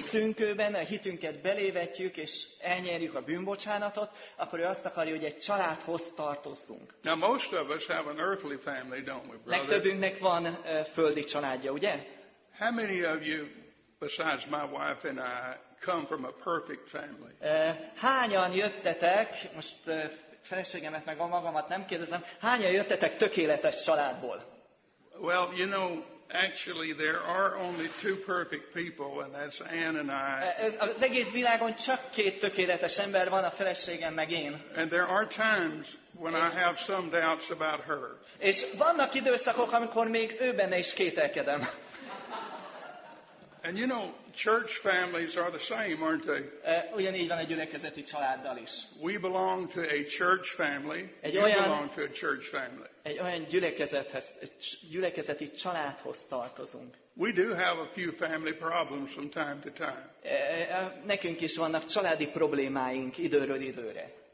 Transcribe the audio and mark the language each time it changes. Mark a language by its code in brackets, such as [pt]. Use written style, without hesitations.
[hu] Hiszünk ő benne, a hitünket belévetjük és elnyerjük a bűnbocsánatot, akkor ő azt akarja, hogy egy családhoz tartozzunk. [en] Now most of us have an earthly family, don't we, brother? [hu] Legtöbbünknek van földi családja, ugye? [en] How many of you, besides my wife and I, come from a perfect family? [hu] Hányan jöttetek, most feleségemet meg a magamat nem kérdezem, hányan jöttetek tökéletes családból? [en] Well, you know, actually there are only two perfect people, and that's Anne and I. [hu] Az egész világon csak két tökéletes ember van, a feleségem meg én. [en] And there are times when I have some doubts about her. [hu] És vannak időszakok, amikor még ő benne is kételkedem. [en] And you know, church families are the same, aren't they? [hu] Ugyanígy van a gyülekezeti családdal is. [en] We belong to a church family. [hu] Egy olyan gyülekezeti családhoz tartozunk. [en] We do have a few family problems from time to time. [hu] Nekünk is vannak családi problémáink időről időre.